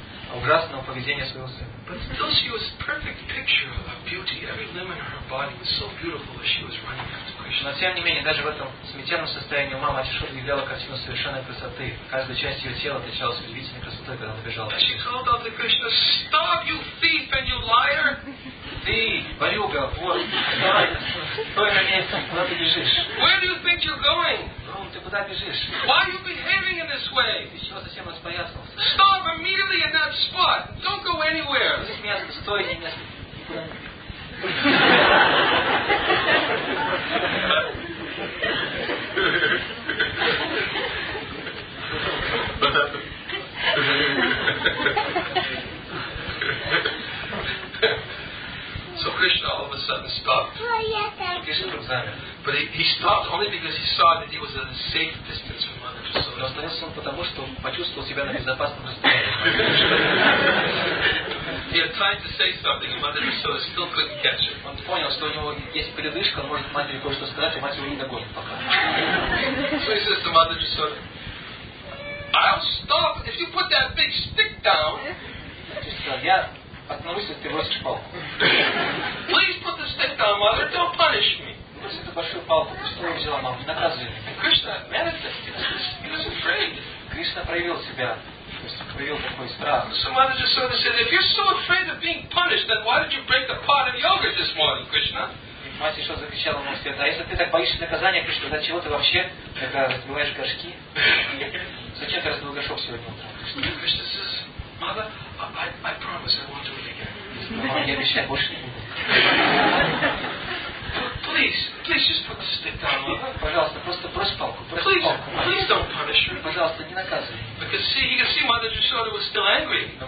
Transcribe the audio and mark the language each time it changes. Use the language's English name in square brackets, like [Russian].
[Russian] Но тем не менее, даже в этом смятенном состоянии ума Матишода являла картину совершенной красоты. Каждая часть ее тела отличалась удивительной красотой, когда она бежала. [English] She called out to Krishna, stop, you thief and you liar! [Russian] Ты, ворюга, вор, стой на месте, куда ты бежишь? [English] Where do you think you're going? [Russian] Ну, ты куда бежишь? [English] Why are you behaving in this way? [Russian] Ты чего совсем распоясался? [English] Stop immediately in that spot! Don't go anywhere! [Russian] Здесь место, стой, не место. [English] So Krishna all of a sudden stopped. Oh, yes, but he stopped only because he saw that he was at a safe distance from Mother Jasoda. [Russian] Но остановился он потому, что почувствовал себя на безопасном расстоянии. [English] He had time to say something, and Mother Jasoda still couldn't catch him. [Russian] Он понял, что у него есть передышка, может матери кое-что сказать, а мать его не догонит пока. [English] So he says to Mother Jasoda, I'll stop if you put that big stick down. [Russian] Я остановлюсь, если ты бросишь палку. [English] Please put the stick down, Mother. Don't punish me. [Russian] Бросил эту большую палку, что я взяла, мама, не наказывай. [English] Krishna manifested. He was afraid. [Russian] Krishna проявил себя. [English] So Mother Jasoda said, if you're so afraid of being punished, then why did you break the pot of yogurt this morning, Krishna? [Russian] Мать еще закричала ему вслед, а если ты так боишься наказания, Кришна, за чего ты вообще когда разбиваешь горшки? Зачем ты разбил горшок сегодня утром? [English] Кришна says, Mother, I promise I won't do it again. [Russian] Я обещаю, больше не буду. [English] Please just put the stick down, Mother. [Russian] Пожалуйста, просто брось палку. [English] Please don't punish me. [Russian] Пожалуйста, не наказывай. [English] Because see, you can see Mother Jasoda was still angry.